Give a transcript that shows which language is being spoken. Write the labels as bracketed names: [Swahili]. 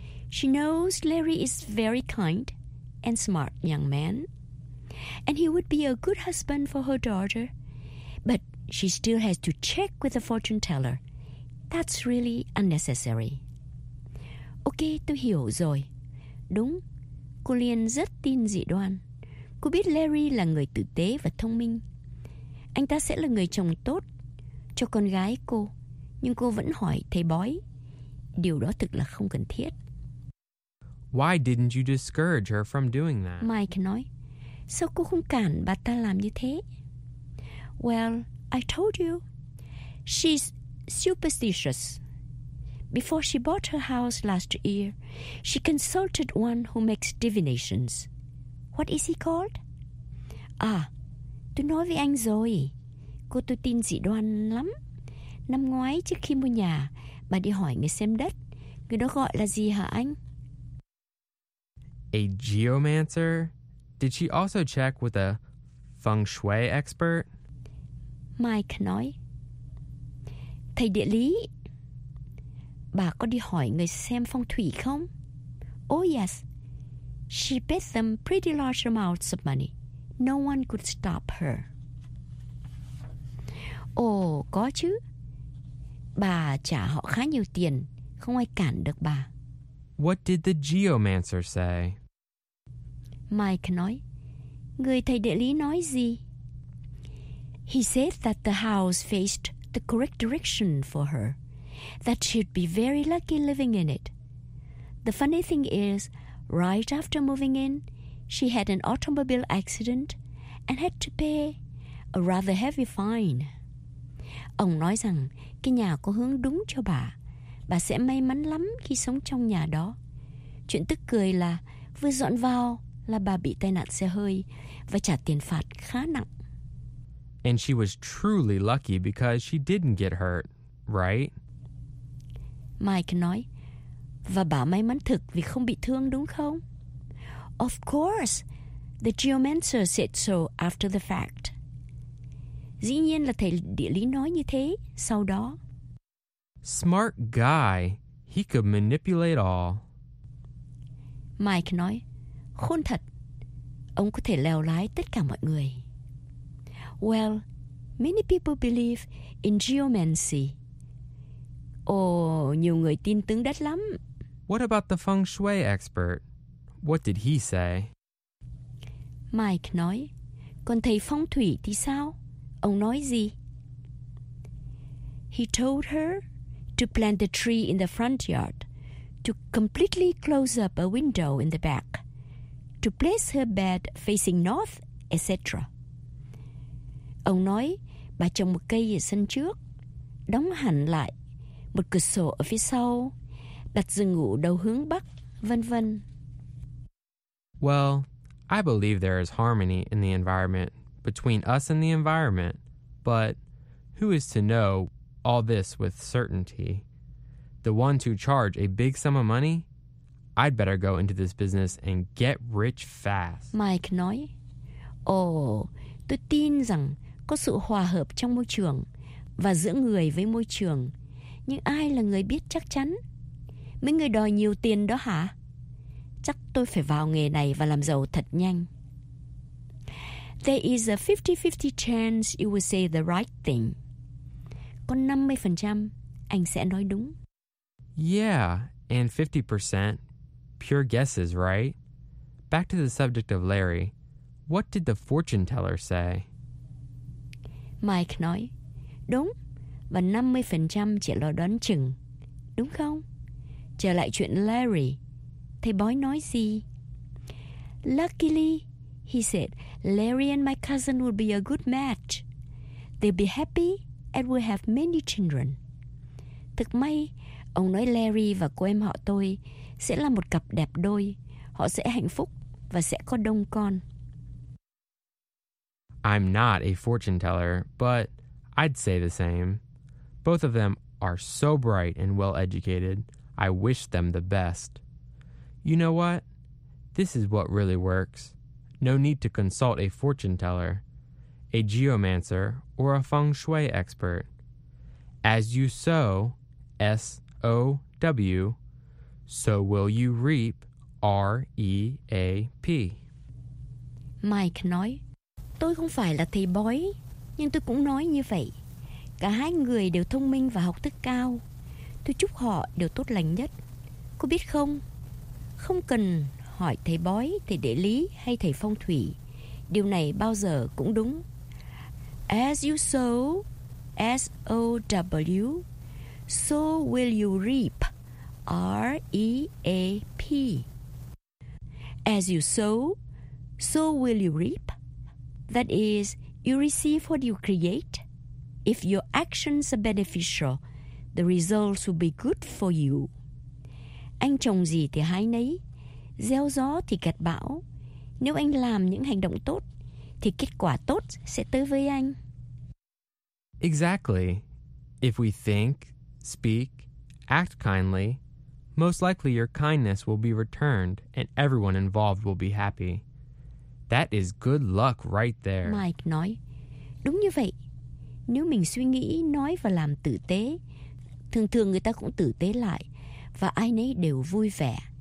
[English] She knows Larry is very kind and smart young man, and he would be a good husband for her daughter. But she still has to check with the fortune teller. That's really unnecessary. Okay, [Vietnamese] tôi hiểu rồi. Đúng, cô Liên rất tin dị đoan. Cô biết Larry là người tử tế và thông minh. Anh ta sẽ là người chồng tốt cho con gái cô. Nhưng cô vẫn hỏi thầy bói. Điều đó thực là không cần thiết. [English] Why didn't you discourage her from doing that? [Vietnamese] Mike nói, sao cô không cản bà ta làm như thế? [English] Well, I told you, she's superstitious. Before she bought her house last year, she consulted one who makes divinations. What is he called? [Vietnamese] À, tôi nói với anh rồi. Cô tôi tin dị đoan lắm. Năm ngoái trước khi mua nhà, bà đi hỏi người xem đất. Người đó gọi là gì hả anh? [English] A geomancer? Did she also check with a feng shui expert? [Vietnamese] Mike nói, thầy địa lý, bà có đi hỏi người xem phong thủy không? [English] Oh yes, she paid them pretty large amounts of money. No one could stop her. [Vietnamese] Oh, có chứ. Bà trả họ khá nhiều tiền, không ai cản được bà. [English] What did the geomancer say? [Vietnamese] Mike nói, người thầy địa lý nói gì? [English] He said that the house faced the correct direction for her, that she'd be very lucky living in it. The funny thing is, right after moving in, she had an automobile accident and had to pay a rather heavy fine. [Vietnamese] Ông nói rằng cái nhà có hướng đúng cho bà. Bà sẽ may mắn lắm khi sống trong nhà đó. Chuyện tức cười là vừa dọn vào là bà bị tai nạn xe hơi và trả tiền phạt khá nặng. [English] And she was truly lucky because she didn't get hurt, right? [Vietnamese] Mike nói, và bà may mắn thực vì không bị thương đúng không? [English] Of course, the geomancer said so after the fact. [Vietnamese] Dĩ nhiên là thầy địa lý nói như thế sau đó. [English] Smart guy, he could manipulate all. [Vietnamese] Mike nói, khôn thật, ông có thể lèo lái tất cả mọi người. [English] Well, many people believe in geomancy. [Vietnamese] Oh, nhiều người tin tướng đất lắm. [English] What about the feng shui expert? What did he say? [Vietnamese] Mike nói, còn thầy phong thủy thì sao? Ông nói gì? [English] He told her to plant the tree in the front yard, to completely close up a window in the back, to place her bed facing north, etc. [Vietnamese] Ông nói, bà trồng một cây ở sân trước, đóng hẳn lại một cửa sổ ở phía sau, đặt giường ngủ đầu hướng bắc, vân vân. [English] Well, I believe there is harmony in the environment, between us and the environment, but who is to know all this with certainty? The ones who charge a big sum of money? I'd better go into this business and get rich fast. [Vietnamese] Mike nói, tôi tin rằng có sự hòa hợp trong môi trường và giữa người với môi trường. Nhưng ai là người biết chắc chắn? Mấy người đòi nhiều tiền đó hả? Chắc tôi phải vào nghề này và làm giàu thật nhanh. [English] There is a 50-50 chance you will say the right thing. [Vietnamese] Có 50% anh sẽ nói đúng. [English] Yeah, and 50% pure guesses, right? Back to the subject of Larry. What did the fortune teller say? [Vietnamese] Mike nói, đúng, và 50% chỉ là đoán chừng, đúng không? Trở lại chuyện Larry, thầy bói nói gì? [English] Luckily, he said, Larry and my cousin would be a good match. They'll be happy and will have many children. [Vietnamese] Thực may, ông nói Larry và cô em họ tôi sẽ là một cặp đẹp đôi, họ sẽ hạnh phúc và sẽ có đông con. [English] I'm not a fortune teller, but I'd say the same. Both of them are so bright and well-educated. I wish them the best. You know what? This is what really works. No need to consult a fortune teller, a geomancer, or a feng shui expert. As you sow, S-O-W, so will you reap, R-E-A-P. [Vietnamese] Mike nói, tôi không phải là thầy bói, nhưng tôi cũng nói như vậy. Cả hai người đều thông minh và học thức cao. Tôi chúc họ đều tốt lành nhất. Cô biết không? Không cần hỏi thầy bói, thầy địa lý hay thầy phong thủy. Điều này bao giờ cũng đúng. [English] As you sow, S-O-W, so will you reap, R-E-A-P. As you sow, so will you reap. That is, you receive what you create. If your actions are beneficial, the results will be good for you. [Vietnamese] Anh trồng gì thì hái nấy, gieo gió thì gặt bão. Nếu anh làm những hành động tốt, thì kết quả tốt sẽ tới với anh. [English] Exactly. If we think, speak, act kindly, most likely your kindness will be returned and everyone involved will be happy. That is good luck right there. [Vietnamese] Mike nói, đúng như vậy. Nếu mình suy nghĩ, nói và làm tử tế, thường thường người ta cũng tử tế lại và ai nấy đều vui vẻ.